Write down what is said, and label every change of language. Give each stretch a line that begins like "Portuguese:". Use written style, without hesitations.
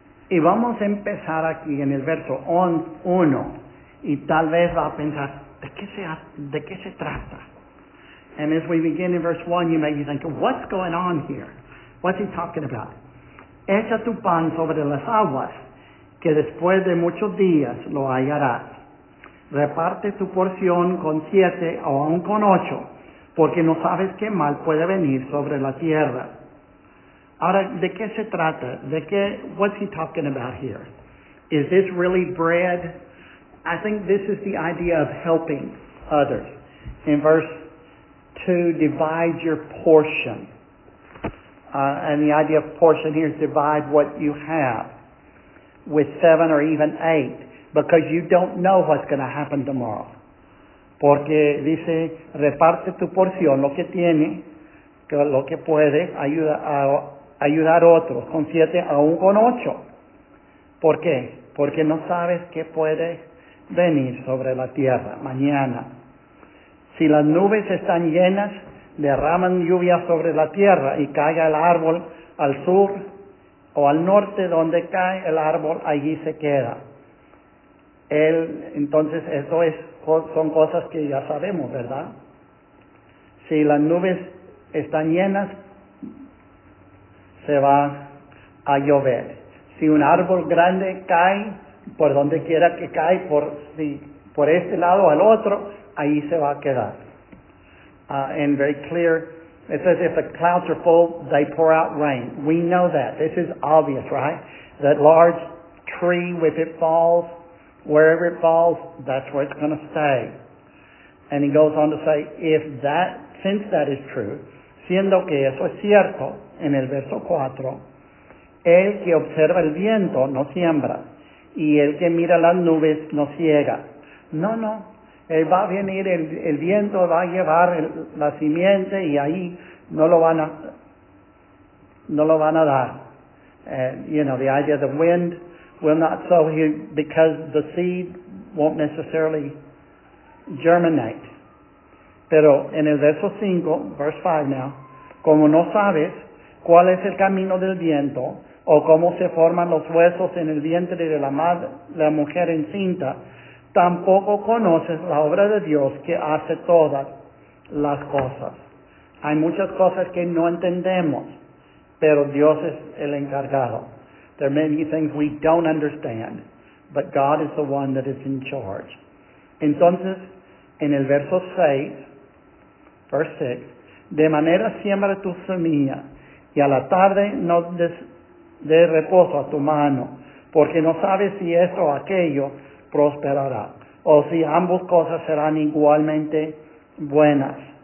Spanish: Y vamos a empezar aquí en el verso 1. Y tal vez va a pensar, ¿de qué se trata?
English: And as we begin in verse 1, you may be thinking, what's going on here? What's he talking about?
Spanish: Echa tu pan sobre las aguas, que después de muchos días lo hallarás. Reparte tu porción con 7 o aún con 8, porque no sabes qué mal puede venir sobre la tierra. Ahora, ¿de qué se trata?
English: What's he talking about here? Is this really bread? I think this is the idea of helping others. In verse 2, divide your portion. And the idea of portion here is divide what you have with 7 or even 8, because you don't know what's going to happen tomorrow.
Spanish: Porque dice, reparte tu porción, lo que tiene, lo que puede, ayuda a ayudar a otros, con 7, aún con 8. ¿Por qué? Porque no sabes qué puede venir sobre la tierra mañana. Si las nubes están llenas, derraman lluvia sobre la tierra y caiga el árbol al sur o al norte, donde cae el árbol, allí se queda. Entonces, eso es, son cosas que ya sabemos, ¿verdad? Si las nubes están llenas, se va a llover. Si un árbol grande cae, por donde quiera que cae, por este lado o al otro, ahí se va a quedar.
English: And very clear, it says, if the clouds are full, they pour out rain. We know that. This is obvious, right? That large tree, if it falls, wherever it falls, that's where it's going to stay. And he goes on to say, since that is true,
Spanish: siendo que eso es cierto, en el verso 4, el que observa el viento no siembra, y el que mira las nubes no ciega. No, él va a venir, el viento va a llevar la simiente y ahí no lo van a dar.
English: The idea of the wind will not sow here, because the seed won't necessarily germinate.
Spanish: Pero en el verso 5,
English: verse 5 now,
Spanish: como no sabes cuál es el camino del viento, o cómo se forman los huesos en el vientre de la mujer encinta, tampoco conoces la obra de Dios que hace todas las cosas. Hay muchas cosas que no entendemos, pero Dios es el encargado.
English: There are many things we don't understand, but God is the one that is in charge.
Spanish: Entonces, en el verso 6,
English: verse 6,
Spanish: de manera siembra tu semilla, y a la tarde no de reposo a tu mano, porque no sabes si esto o aquello prosperará, o si ambas cosas serán igualmente buenas.